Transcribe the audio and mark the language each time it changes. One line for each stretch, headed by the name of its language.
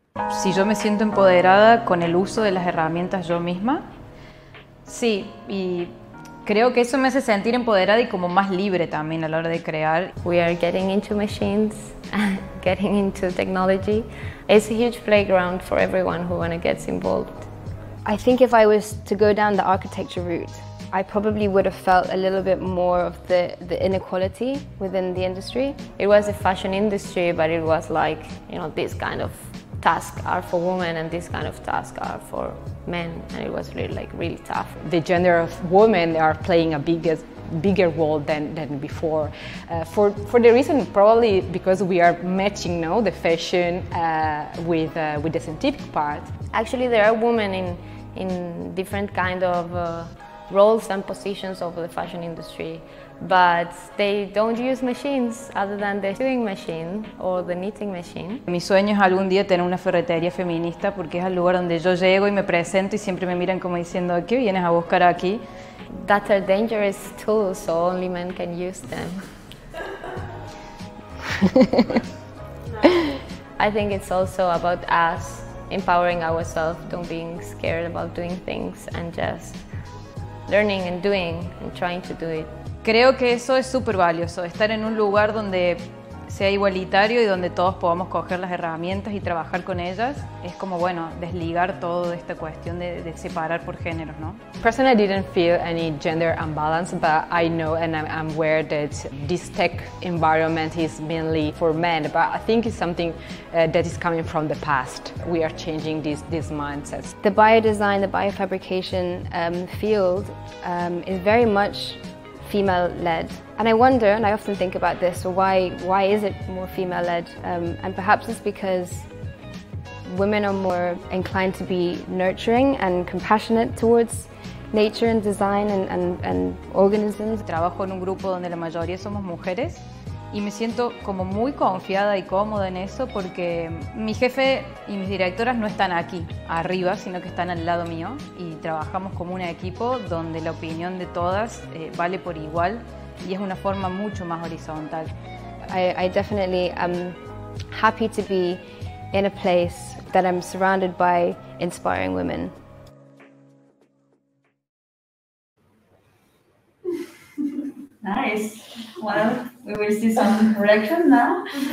Spanish: Si yo me siento empoderada con el uso de las herramientas yo misma, sí, y creo que eso me hace sentir empoderada y como más libre también a la hora de crear.
English: We are getting into machines, getting into technology. It's a huge playground for everyone who wanna get involved. I think if I was to go down the architecture route, I probably would have felt a little bit more of the inequality within the industry. It was a fashion industry, but it was like, you know, this kind of tasks are for women and this kind of tasks are for men, and it was really like really tough. The gender of women are playing a bigger role than before, for the reason probably because we are matching now the fashion with the scientific part. Actually, there are women in different kind of roles and positions over the fashion industry, but they don't use machines other than the sewing machine or the knitting machine.
Spanish: Mi sueño es algún día tener una ferretería feminista porque es el lugar donde yo llego y me presento y siempre me miran como diciendo, ¿qué vienes a buscar aquí?
English: That are dangerous tools, so only men can use them. I think it's also about us empowering ourselves, don't being scared about doing things and just learning and doing and trying to do it.
Spanish: Creo que eso es súper valioso, estar en un lugar donde sea igualitario y donde todos podamos coger las herramientas y trabajar con ellas. Es como, bueno, desligar todo de esta cuestión de separar por géneros, ¿no?
English: Personally, I didn't feel any gender imbalance, but I know and I'm aware that this tech environment is mainly for men, but I think it's something that is coming from the past. We are changing these mindsets. The biodesign, the biofabrication field is very much female-led. And I wonder, and I often think about this, so why is it more female-led? And perhaps it's because women are more inclined to be nurturing and compassionate towards nature and design and organisms.
Spanish: Trabajo en un grupo donde la mayoría somos mujeres y me siento como muy confiada y cómoda en eso porque mi jefe y mis directoras no están aquí arriba, sino que están al lado mío y trabajamos como un equipo donde la opinión de todas vale por igual y es una forma mucho más horizontal.
English: I definitely am happy to be in a place that I'm surrounded by inspiring women. Nice. Well, we will see some reaction now.